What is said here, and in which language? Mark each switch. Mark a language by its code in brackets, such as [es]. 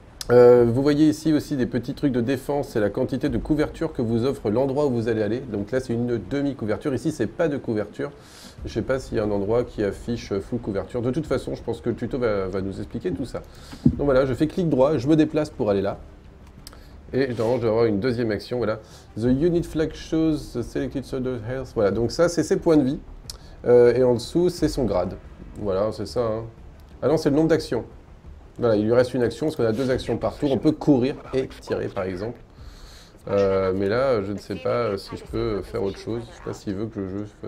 [fr] Vous voyez ici aussi des petits trucs de défense. C'est la quantité de couverture que vous offre l'endroit où vous allez aller. Donc là, c'est une demi-couverture. Ici, c'est pas de couverture. Je ne sais pas s'il y a un endroit qui affiche full couverture. De toute façon, je pense que le tuto va nous expliquer tout ça. Donc voilà, je fais clic droit, je me déplace pour aller là. Et normalement, je vais avoir une deuxième action, voilà. [en] The unit flag shows the selected soldier's health. [fr] Voilà, donc ça, c'est ses points de vie. Et en dessous, c'est son grade. Voilà, c'est ça, hein. Ah non, c'est le nombre d'actions. Voilà, il lui reste une action, parce qu'on a deux actions par tour. On peut courir et tirer, par exemple. Mais là, je ne sais pas si je peux faire autre chose. Je ne sais pas s'il veut que le jeu...